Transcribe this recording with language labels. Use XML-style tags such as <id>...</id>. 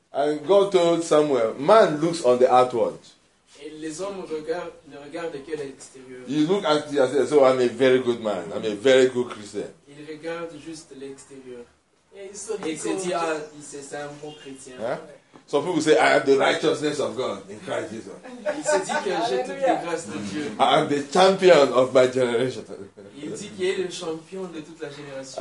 <en>And God told Samuel, man looks on the outward.</en> <fr>Et les hommes ne regardent que l'extérieur.</fr> <en>You look at yourself, so I'm a very good man. I'm a very good Christian.</en> <fr>Et Il regarde juste l'extérieur. Et il se dit, ah, c'est un bon chrétien. Hein?</fr> <en>Some people say, I have the righteousness of God in Christ Jesus.</en> <fr>Il se dit que j'ai toutes les grâces de Dieu.</fr> <en>I am the champion of my generation.</en> <fr>Il dit qu'il est le champion de toute la génération.</fr>